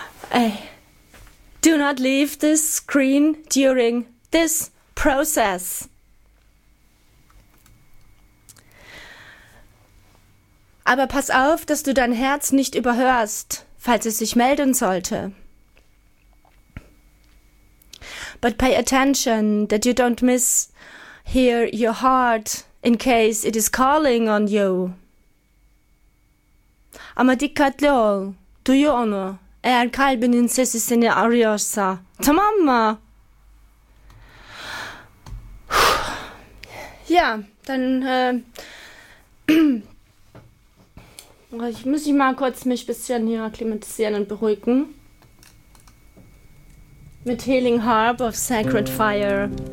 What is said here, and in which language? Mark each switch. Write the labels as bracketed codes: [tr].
[en] Hey, do not leave this screen during this process. [de] Aber pass auf, dass du dein Herz nicht überhörst, falls es sich melden sollte. [en] But pay attention that you don't miss hear your heart in case it is calling on you. [tr] Ama dikkatli ol, duyu onu, eğer kalbinin sesi seni arıyorsa, tamam mı? [de] Ja, dann, Ich muss mal kurz mich ein bisschen hier akklimatisieren und beruhigen. Mit Healing Harp of Sacred Fire.